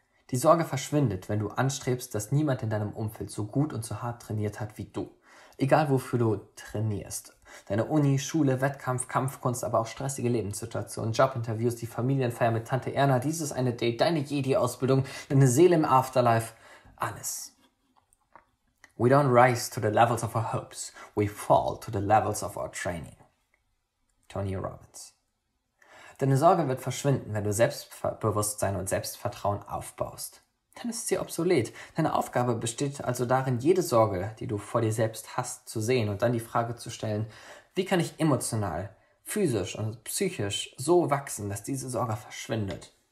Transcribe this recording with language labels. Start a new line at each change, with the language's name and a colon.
German: Die Sorge verschwindet, wenn du anstrebst, dass niemand in deinem Umfeld so gut und so hart trainiert hat wie du. Egal wofür du trainierst. Deine Uni, Schule, Wettkampf, Kampfkunst, aber auch stressige Lebenssituationen, Jobinterviews, die Familienfeier mit Tante Erna, dieses eine Date, deine Jedi-Ausbildung, deine Seele im Afterlife, alles.
English: We don't rise to the levels of our hopes, we fall to the levels of our training. Tony Robbins.
German: Deine Sorge wird verschwinden, wenn du Selbstbewusstsein und Selbstvertrauen aufbaust. Dann ist sie obsolet. Deine Aufgabe besteht also darin, jede Sorge, die du vor dir selbst hast, zu sehen und dann die Frage zu stellen, wie kann ich emotional, physisch und psychisch so wachsen, dass diese Sorge verschwindet?